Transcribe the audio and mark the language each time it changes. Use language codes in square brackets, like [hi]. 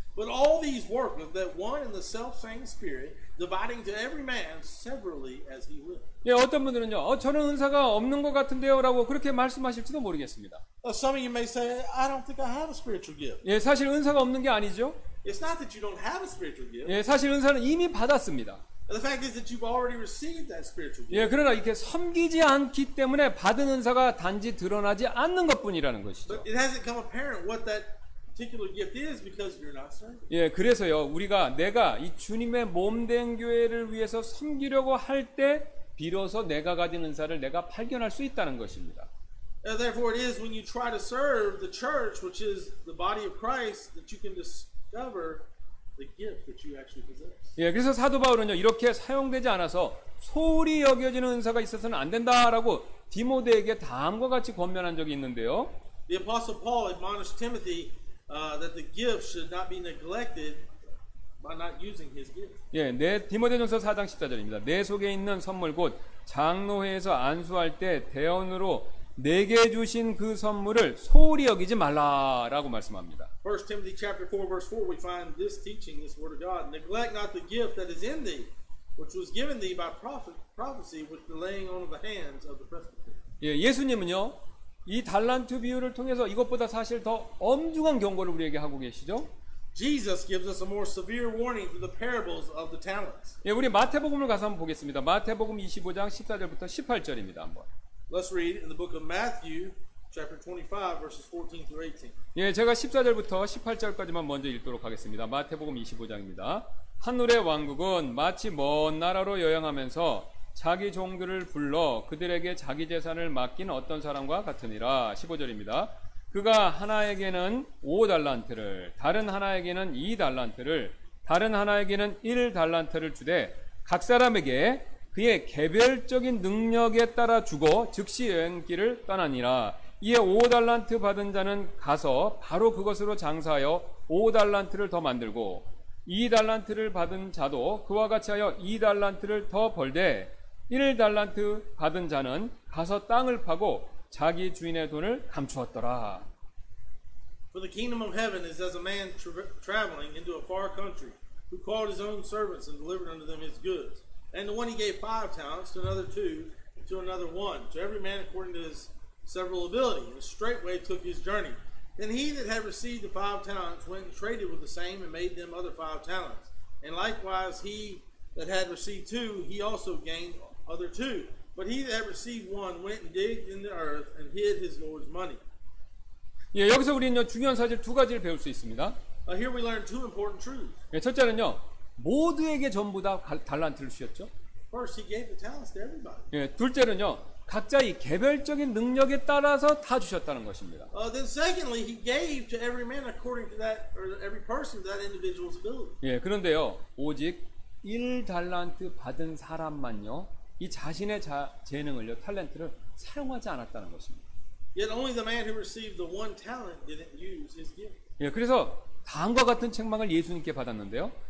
[en] But all these work of that one and the self-same Spirit, dividing to every man severally as he will. [ko] 예, 어떤 분들은요, 저는 은사가 없는 것 같은데요라고 그렇게 말씀하실지도 모르겠습니다. [en] Some of you may say, I don't think I have a spiritual gift. [ko] 예, 사실 은사가 없는 게 아니죠. [en] It's not that you don't have a spiritual gift. [ko] 예, 사실 은사는 이미 받았습니다. [en] The fact is that you've already received that spiritual gift. [ko] 예, 그러나 이렇게 섬기지 않기 때문에 받은 은사가 단지 드러나지 않는 것뿐이라는 것이죠. [en] But it hasn't come apparent what that. particular gift is because you're not serving. [ko] 예, 그래서요 우리가 내가 이 주님의 몸된 교회를 위해서 섬기려고 할 때 비로소 내가 가진 은사를 내가 발견할 수 있다는 것입니다. [en] Therefore, it is when you try to serve the church, which is the body of Christ, that you can discover the gift that you actually possess. [ko] 예, 그래서 사도 바울은요 이렇게 사용되지 않아서 소홀히 여겨지는 은사가 있어서는 안 된다라고 디모데에게 다음과 같이 권면한 적이 있는데요. [en] The apostle Paul admonished Timothy. That the gift should not be neglected by not using his gift. [ko] 예, 내 디모데전서 4장 14절입니다. 내 속에 있는 선물 곧 장로회에서 안수할 때 대언으로 내게 주신 그 선물을 소홀히 여기지 말라라고 말씀합니다. [en] 1 Timothy chapter 4 verse 4 we find this teaching, this word of God. Neglect not the gift that is in thee, which was given thee by prophecy with the laying on of the hands of the presbyter. [ko] 예, 예수님은요. 이 달란트 비유를 통해서 이것보다 사실 더 엄중한 경고를 우리에게 하고 계시죠. [en] Jesus gives us a more severe warning through the parables of the talents. [ko] 예, 우리 마태복음을 가서 한번 보겠습니다. 마태복음 25장 14절부터 18절입니다. 한번. [en] Let's read in the book of Matthew chapter 25 verses 14 through 18. [ko] 예, 제가 14절부터 18절까지만 먼저 읽도록 하겠습니다. 마태복음 25장입니다. 하늘의 왕국은 마치 먼 나라로 여행하면서 자기 종들을 불러 그들에게 자기 재산을 맡긴 어떤 사람과 같으니라. 15절입니다. 그가 하나에게는 5달란트를, 다른 하나에게는 2달란트를, 다른 하나에게는 1달란트를 주되 각 사람에게 그의 개별적인 능력에 따라 주고 즉시 여행길을 떠나니라. 이에 5달란트 받은 자는 가서 바로 그것으로 장사하여 5달란트를 더 만들고 2달란트를 받은 자도 그와 같이 하여 2달란트를 더 벌되 1달란트 받은 자는 가서 땅을 파고 자기 주인의 돈을 감추었더라. [en] For the kingdom of heaven is as a man traveling into a far country, who called his own servants and delivered unto them his goods. And the one he gave five talents, to another two, to another one, to every man according to his several ability, and straightway took his journey. Then he that had received the five talents went and traded with the same and made them other five talents. And likewise he that had received two, he also gained other two. But he that had received one went and digged in the earth and hid his Lord's money. [ko] 예, 여기서 우리는요, 중요한 사실 두 가지를 배울 수 있습니다. [en] Here we learn two important truths. [ko] 예, 첫째는요, 모두에게 전부 다 달란트를 주셨죠. [en] First, he gave the talents to everybody. [ko] 예, 둘째는요, 각자의 개별적인 능력에 따라서 다 주셨다는 것입니다. [en] Then secondly, he gave to every man according to that, or every person, that individual's ability. [ko] 예, 그런데요, 오직 1달란트 받은 사람만요, 이 자신의 재능을요, 탤런트를 사용하지 않았다는 것입니다. [en] Yet only the man who received the one talent didn't use his gift. [ko] 예, 그래서 다음과 같은 책망을 예수님께 받았는데요.